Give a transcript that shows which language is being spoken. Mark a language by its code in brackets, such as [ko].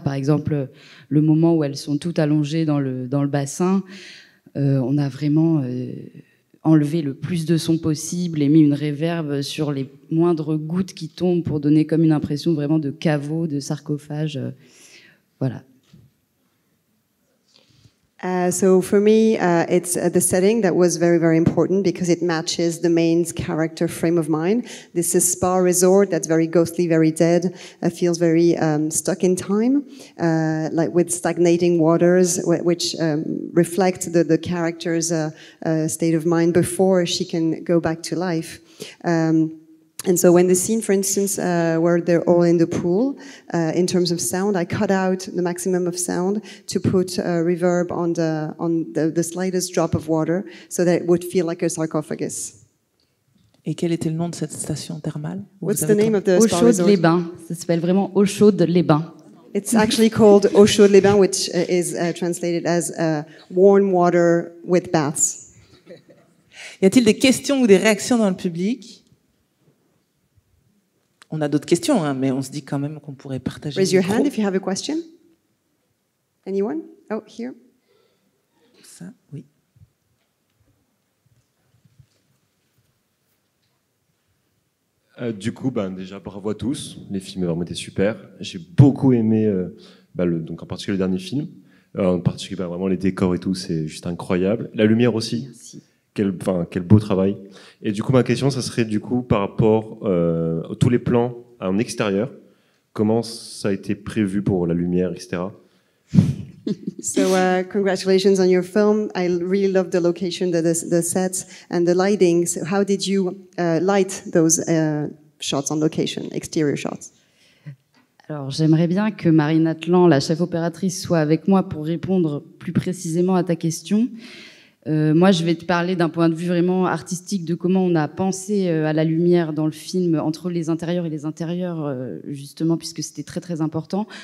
[fr] Par exemple, le moment où elles sont toutes allongées dans le bassin, on a vraiment enlevé le plus de son possible et mis une réverb sur les moindres gouttes qui tombent pour donner comme une impression vraiment de caveau, de sarcophage. Voilà. [en] So for me, it's the setting that was very, very important because it matches the main character frame of mind. This is a spa resort that's very ghostly, very dead. It feels very stuck in time, like with stagnating waters, which reflect the character's state of mind before she can go back to life. And so when the scene, for instance, where they're all in the pool, in terms of sound, I cut out the maximum of sound to put reverb on the slightest drop of water so that it would feel like a sarcophagus. [fr] Et quel était le nom de cette station thermale? [en] What's the name of the spa resort? [fr] Eau Chaude Les Bains. Ça s'appelle vraiment Eau Chaude Les Bains. [en] It's actually called Eau Chaude Les Bains, which is translated as warm water with baths. [fr] Y a-t-il des questions ou des réactions dans le public? On a d'autres questions, hein, mais on se dit quand même qu'on pourrait partager. [en] Raise your hand if you have a question. Anyone? Oh, here. [fr] Ça, oui. Du coup, ben, déjà, bravo à tous. Les films ont vraiment été super. J'ai beaucoup aimé, donc en particulier le dernier film. En particulier, ben, vraiment, les décors et tout, c'est juste incroyable. La lumière aussi. Merci. Quel beau travail. Et du coup, ma question, ça serait du coup par rapport à tous les plans en extérieur. Comment ça a été prévu pour la lumière, etc. [en] So, congratulations on your film. I really love the location, the sets and the lighting. So, how did you light those shots on location, exterior shots? [fr] Alors, j'aimerais bien que Marine Atlan, la chef opératrice, soit avec moi pour répondre plus précisément à ta question. Moi, je vais te parler d'un point de vue vraiment artistique de comment on a pensé à la lumière dans le film entre les intérieurs et les extérieurs, justement, puisque c'était très, très important.